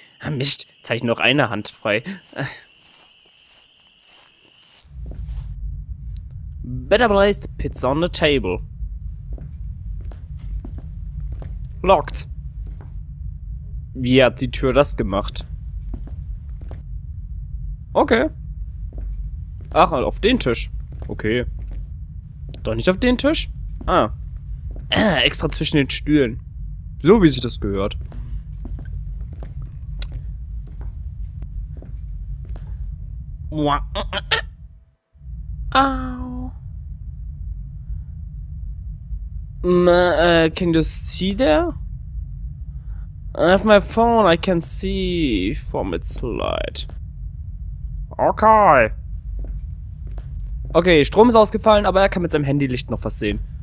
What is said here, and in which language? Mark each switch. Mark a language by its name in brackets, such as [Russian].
[German] Mist, jetzt habe ich noch eine Hand frei. [English] Better placed pizza on the table. Locked. [German] Wie hat die Tür das gemacht? Okay. Ach, auf den Tisch. Okay. Doch nicht auf den Tisch? Ah. Extra zwischen den Stühlen. So wie sich das gehört. Au. [English] Can you see there? I have my phone, I can see from its light. Okay. [German] Okay, Strom ist ausgefallen, aber er kann mit seinem Handylicht noch was sehen.